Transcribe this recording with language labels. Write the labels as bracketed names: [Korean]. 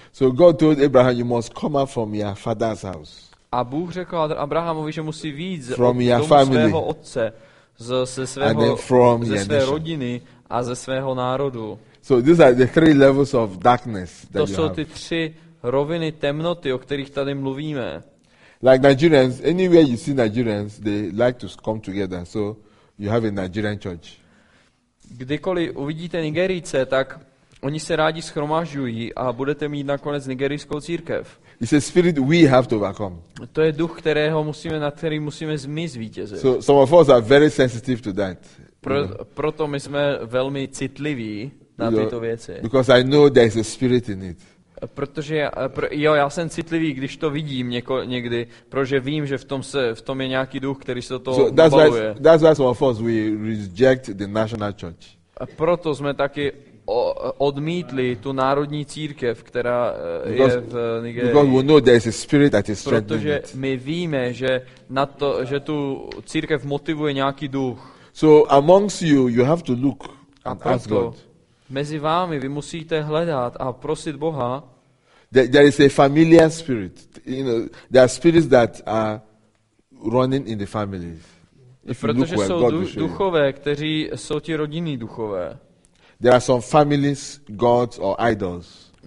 [English] So God told Abraham, you must come out from your father's house. [Czech] A Bůh řekl Abrahamovi, že musí vyjít z domu svého otce, ze své rodiny a ze svého národu. [English] So these are the three levels of darkness that [Czech] to jsou ty tři roviny temnoty, o kterých tady mluvíme. [English] Like Nigerians, anywhere you see Nigerians, they like to come together. So you have a Nigerian church. [Czech] Kdykoliv uvidíte Nigerijce, tak oni se rádi shromažďují a budete mít nakonec nigerijskou církev. [English] It's a spirit we have to overcome. [Czech] To je duch, kterého musíme na který musíme zvítězit. [English] So some of us are very sensitive to that. [Czech] Proto my jsme velmi citliví na tyto věci. [English] Because I know there's a spirit in it. [Czech] Protože já jsem citlivý, když to vidím někdy, protože vím, že v tom je nějaký duch, který se do toho nabaluje. [English] That's why some of us we reject the national church. [Czech] A proto jsme taky odmítli tu národní církev, která je v Nigerii. [English] Because we know there's a spirit that is strengthening. [Czech] Protože my víme, že tu církev motivuje nějaký duch. [English] So amongst you have to look and ask God. [Czech] Mezi vámi vy musíte hledat a prosit Boha. [English] There is a familiar spirit. You know, there are spirits that are running in the families. [Czech] Protože jsou duchové, kteří jsou ti rodinní duchové. [English] There are some families, gods or idols.